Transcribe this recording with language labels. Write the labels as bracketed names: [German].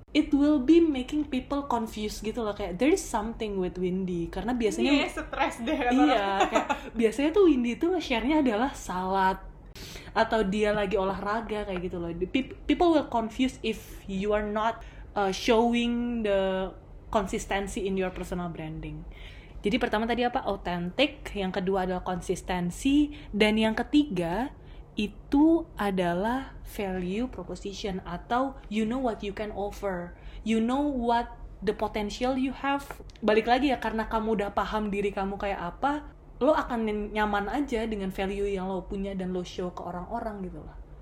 [English] It will be making people confused [Indonesian] gitu loh, kayak [English] there is something with Windy. [Indonesian] Karena biasanya... Iya, stress deh. Iya, kayak biasanya tuh Windy tuh nge-share-nya adalah salad. Atau dia lagi olahraga, kayak gitu loh. [English] People will confuse if you are not showing the consistency in your personal branding. [Indonesian] Jadi pertama tadi apa? Authentic. Yang kedua adalah konsistensi. Dan yang ketiga itu adalah value proposition. [English] Atau you know what you can offer. You know what the potential you have. [Indonesian] Balik lagi ya, karena kamu udah paham diri kamu kayak apa, lo akan nyaman aja dengan value yang lo punya dan lo show ke orang-orang gitu lah.